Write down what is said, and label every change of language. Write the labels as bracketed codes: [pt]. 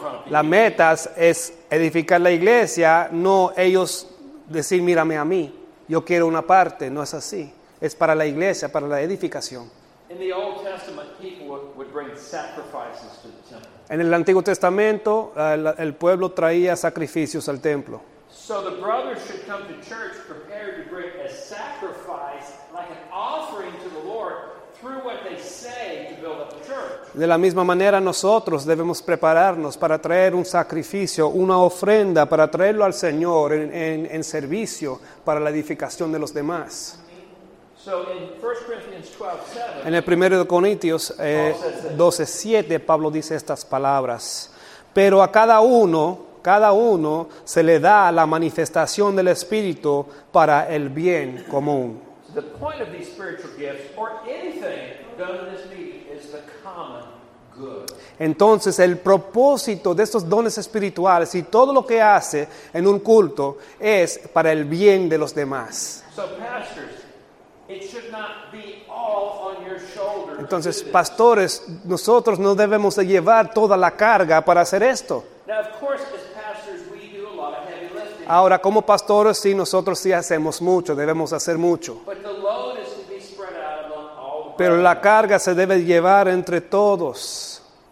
[es] La meta es edificar la iglesia, no ellos decir, mírame a mí, yo quiero una parte. No es así. Es para la iglesia, para la edificación. [en] In the Old Testament, people would bring sacrifices to the temple. [es] En el Antiguo Testamento, el pueblo traía sacrificios al templo. [en] So the brothers should come to church prepared to bring a sacrifice, like an offering to the Lord, through what they say to build up the church. [es] De la misma manera, nosotros debemos prepararnos para traer un sacrificio, una ofrenda, para traerlo al Señor en servicio para la edificación de los demás. [en] So in 1 Corinthians 12, 7, [es] en el 1 Corintios 12, 7, Pablo dice estas palabras. Pero a cada uno se le da la manifestación del Espíritu para el bien común. [en] The point of these spiritual gifts, or anything done in this meeting, is the common good. [es] Entonces, el propósito de estos dones espirituales y todo lo que hace en un culto es para el bien de los demás. [en] So, pastors, it should not be all on your shoulders. [es] Entonces, pastores, nosotros no debemos de llevar toda la carga para hacer esto. [en] Now, of course, as pastors, we do a lot of heavy lifting. [es] Ahora, como pastores, sí, nosotros sí hacemos mucho, debemos hacer mucho. [en] But the load is to be spread out among all. [es] Pero la carga se debe llevar entre todos.